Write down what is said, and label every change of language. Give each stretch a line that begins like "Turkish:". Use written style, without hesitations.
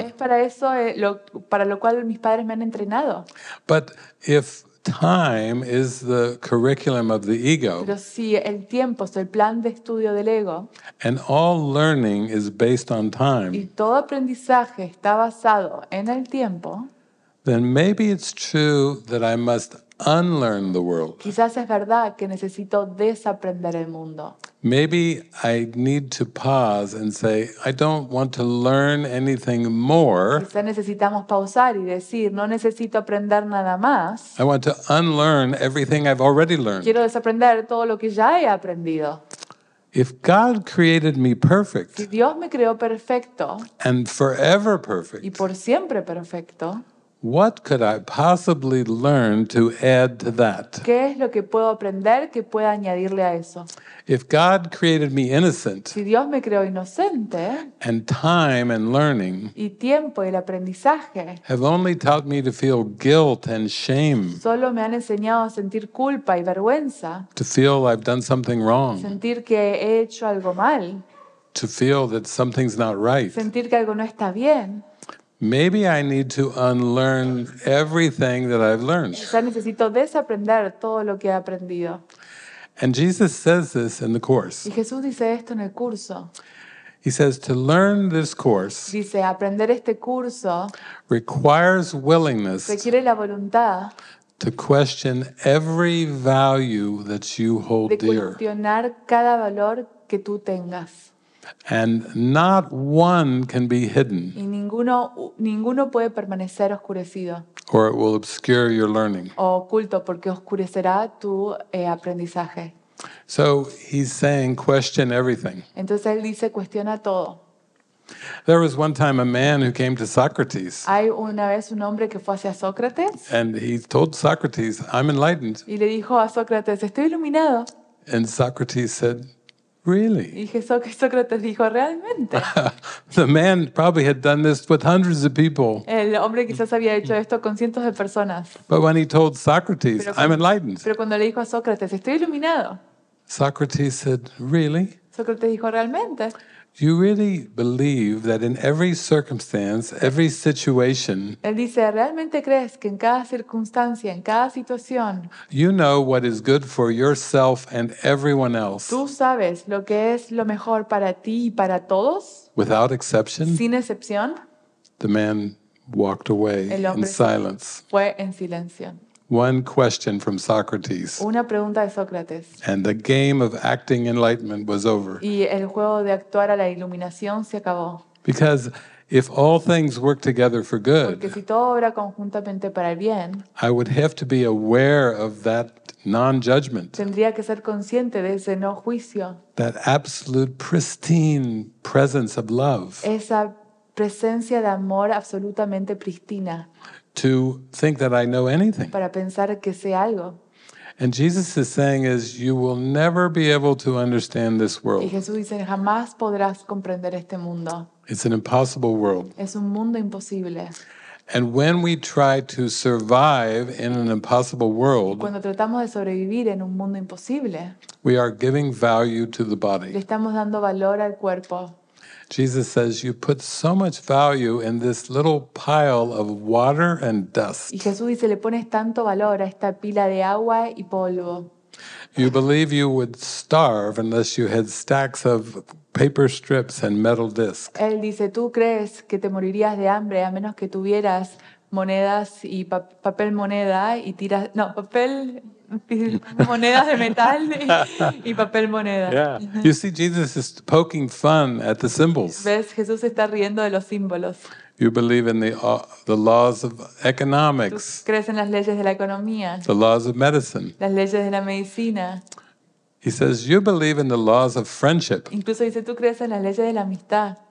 Spanish: Es para eso, para lo cual mis padres me han entrenado.
English: But if time is the curriculum of the ego.
Spanish: Pero si el tiempo es el plan de estudio del ego.
English: And all learning is based on time.
Spanish: Y todo aprendizaje está basado en el tiempo.
English: Then maybe it's true that I must unlearn the world.
Spanish: Quizás es verdad que necesito desaprender el mundo.
English: Maybe I need to pause and say, I don't want to learn anything more.
Spanish: Quizás necesitamos pausar y decir, no necesito aprender nada más.
English: I want to unlearn everything I've already learned.
Spanish: Quiero desaprender todo lo que ya he aprendido.
English: If God created me perfect,
Spanish: si Dios me creó perfecto,
English: and forever perfect,
Spanish: y por siempre perfecto,
English: what could I possibly learn to add to that?
Spanish: ¿Qué es lo que puedo aprender que pueda añadirle a eso?
English: If God created me innocent,
Spanish: si Dios me creó inocente,
English: and time and learning,
Spanish: y tiempo y el aprendizaje,
English: have only taught me to feel guilt and shame,
Spanish: solo me han enseñado a sentir culpa y vergüenza,
English: to feel I've done something wrong,
Spanish: sentir que he hecho algo mal,
English: to feel that something's not right,
Spanish: sentir que algo no está bien.
English: Maybe I need to unlearn everything that I've learned.
Spanish: Ya necesito desaprender todo lo que he aprendido.
English: And Jesus says this in the course.
Spanish: Y Jesús dice esto en el curso.
English: He says to learn this course.
Spanish: Dice aprender este curso.
English: Requires willingness.
Spanish: Requiere la voluntad.
English: To question every value that you hold dear.
Spanish: De cuestionar cada valor que tú tengas.
English: And not one can be hidden.
Spanish: Y ninguno puede permanecer oscurecido.
English: Or it will obscure your learning.
Spanish: O oculto porque oscurecerá tu aprendizaje.
English: So he's saying, question everything.
Spanish: Entonces él dice, cuestiona todo.
English: There was one time a man who came to Socrates.
Spanish: Hay una vez un hombre que fue hacia Sócrates.
English: And he told Socrates, I'm enlightened.
Spanish: Y le dijo a Sócrates, estoy iluminado.
English: And Socrates said, really?
Spanish: Y Sócrates dijo, ¿realmente?
English: The man probably had done this with hundreds of people.
Spanish: El hombre quizás había hecho esto con cientos de personas.
English: But when he told Socrates, I'm enlightened.
Spanish: Pero cuando le dijo a Sócrates, estoy iluminado.
English: Socrates said, really?
Spanish: Sócrates dijo, ¿realmente?
English: Do you really believe that in every circumstance, every situation,
Spanish: él dice, ¿realmente crees que en cada circunstancia, en cada situación,
English: you know what is good for yourself and everyone else?
Spanish: ¿Tú sabes lo que es lo mejor para ti y para todos?
English: Without exception?
Spanish: Sin excepción?
English: The man walked away in silence.
Spanish: Fue en silencio.
English: One question from Socrates.
Spanish: Una pregunta de Sócrates.
English: And the game of acting enlightenment was over.
Spanish: Y el juego de actuar a la iluminación se acabó.
English: Because if all things work together for good,
Spanish: porque si todo obra conjuntamente para el bien,
English: I would have to be aware of that non-judgment.
Spanish: Tendría que ser consciente de ese no juicio.
English: That absolute pristine presence of love.
Spanish: Esa presencia de amor absolutamente pristina.
English: To think that I know anything.
Spanish: Para pensar que sé algo.
English: And Jesus is saying is you will never be able to understand this world.
Spanish: Y Jesús dice jamás podrás comprender este mundo.
English: It's an impossible world.
Spanish: Es un mundo imposible.
English: And when we try to survive in an impossible world,
Spanish: cuando tratamos de sobrevivir en un mundo imposible,
English: we are giving value to the body.
Spanish: Le estamos dando valor al cuerpo.
English: Jesus says, you put so much value in this little pile of water and dust.
Spanish: Y Jesús dice, le pones tanto valor a esta pila de agua y polvo.
English: You believe you would starve unless you had stacks of paper strips and metal discs.
Spanish: Él dice, tú crees que te morirías de hambre a menos que tuvieras monedas y papel moneda y tiras, no, papel monedas de metal y papel moneda.
English: Yeah. You see, Jesus is poking fun at the symbols.
Spanish: Ves, Jesús está riendo de los símbolos.
English: You believe in the laws of economics.
Spanish: ¿Tú crees en las leyes de la economía?
English: The laws of medicine.
Spanish: Las leyes de la medicina.
English: He says, you believe in the laws of friendship.
Spanish: Incluso dice, tú crees en las leyes de la amistad.